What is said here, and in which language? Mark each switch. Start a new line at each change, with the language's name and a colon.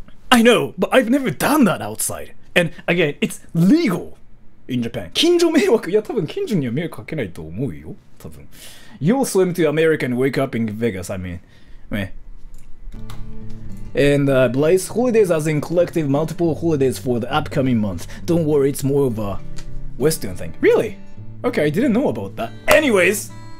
English: I know, but I've never done that outside. And again, it's legal in Japan.
Japanese: 近所迷惑、いや多分近所には迷惑かけないと思うよ、多分。
English: You'll swim to America and wake up in Vegas, I mean. Meh. And Blaze, holidays as in collective multiple holidays for the upcoming month. Don't worry, it's more of a Western thing. Really? Okay, I didn't know about that. Anyways!